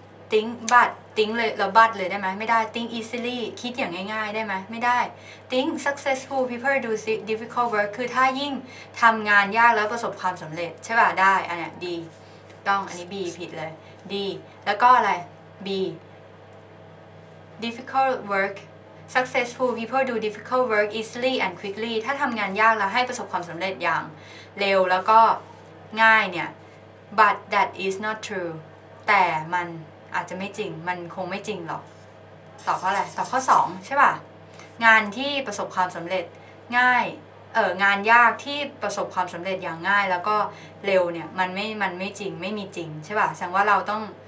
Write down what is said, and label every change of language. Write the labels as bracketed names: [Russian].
[English] think but think [Thai] เลยเราบัดเลยได้ไหมไม่ได้ [English] think easily [Thai] คิดอย่างง่ายๆได้ไหมไม่ได้ [English] think successful people do difficult work [Thai] คือถ้ายิ่งทำงานยากแล้วประสบความสำเร็จใช่ป่ะได้อันนี้ดีต้องอันนี้ B ผิดเลย D แล้วก็อะไรB. [English] Difficult work. Successful people do difficult work easily and quickly. [Thai] ถ้าทำงานยากแล้วให้ประสบความสำเร็จอย่างเร็วแล้วก็ง่ายเนี่ย [English] But that is not true. [Thai] แต่มันอาจจะไม่จริงมันคงไม่จริงหรอกตอบข้ออะไรตอบข้อ2ใช่ป่ะงานที่ประสบความสำเร็จง่ายงานยากที่ประสบความสำเร็จอย่างง่ายแล้วก็เร็วเนี่ยมันไม่จริงไม่มีจริงใช่ป่ะแสดงว่าเราต้อง